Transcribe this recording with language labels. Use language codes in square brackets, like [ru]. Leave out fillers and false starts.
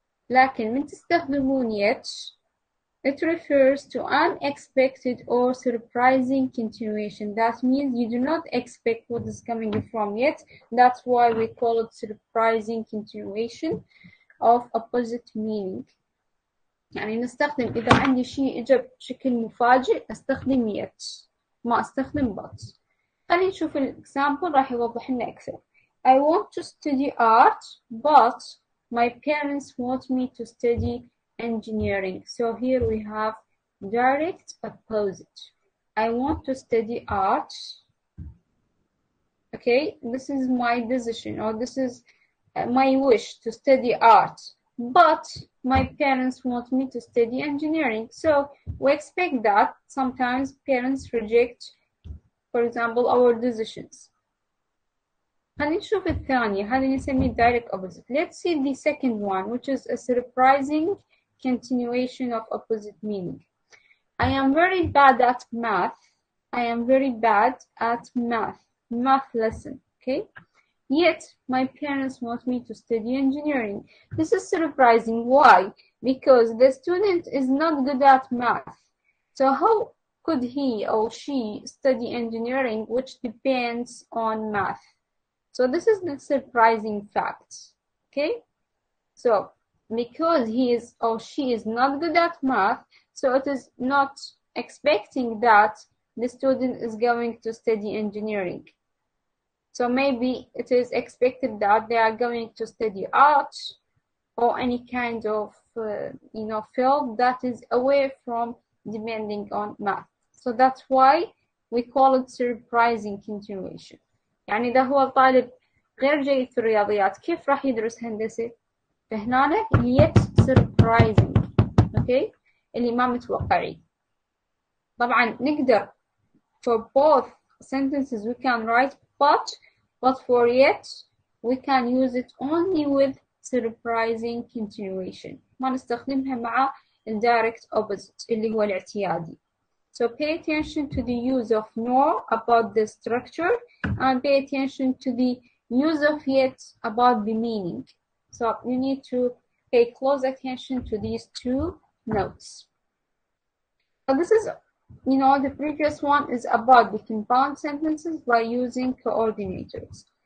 [ar] لكن من تستخدمون [en] yet, it refers to unexpected or surprising continuation. That means you do not expect what is coming from yet. That's why we call it surprising continuation of opposite meaning. [ar] يعني نستخدم إذا عندي شيء إجا بشكل مفاجئ أستخدم yet ما أستخدم but. خلينا نشوف الإكسامبل راح يوضح لنا أكثر. [en] I want to study art but my parents want me to study engineering. So here we have direct opposite. I want to study art. Okay, this is my decision or this is my wish to study art. But my parents want me to study engineering. So we expect that sometimes parents reject, for example, our decisions. [ar] هنشوف الثانية هذه نسمي [en] direct opposite. Let's see the second one, which is a surprising continuation of opposite meaning. I am very bad at math. I am very bad at math. Math lesson. Okay. Yet my parents want me to study engineering. This is surprising. Why? Because the student is not good at math. So how could he or she study engineering, which depends on math? So this is the surprising fact. Okay. So because he is or she is not good at math, so it is not expecting that the student is going to study engineering. So maybe it is expected that they are going to study art or any kind of you know, field that is away from depending on math. So that's why we call it surprising continuation. [ar] يعني إذا هو طالب غير جيد في الرياضيات كيف راح يدرس هندسة؟ فهنا yet surprising. Okay, اللي ما متوقعي. طبعا نقدر [en] for both sentences we can write but for yet we can use it only with surprising continuation. [ar] ما نستخدمها مع [en] indirect opposite [ar] اللي هو الاعتيادي. [en] So pay attention to the use of nor about the structure and pay attention to the use of yet about the meaning. So you need to pay close attention to these two notes. So this is, you know, the previous one is about the compound sentences by using coordinators.